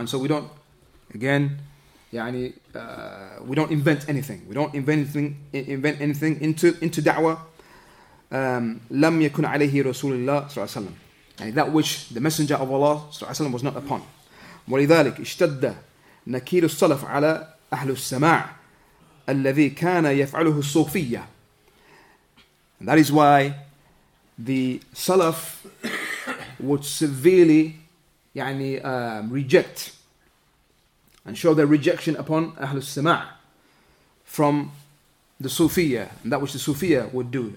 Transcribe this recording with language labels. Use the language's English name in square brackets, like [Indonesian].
[English] And so we don't, again, we don't invent anything. We don't invent anything into da'wah. [Arabic] لم يكن عليه رسول الله صلى الله عليه وسلم. [English] And that which the Messenger of Allah صلى الله عليه وسلم was not upon. [Arabic] ولذلك اشتد نكير السلف على أهل السماع الذي كان يفعله الصوفية. [English] And that is why the Salaf would severely reject and show their rejection upon أهل السماع from the Sufiyya, and that which the Sufiyya would do.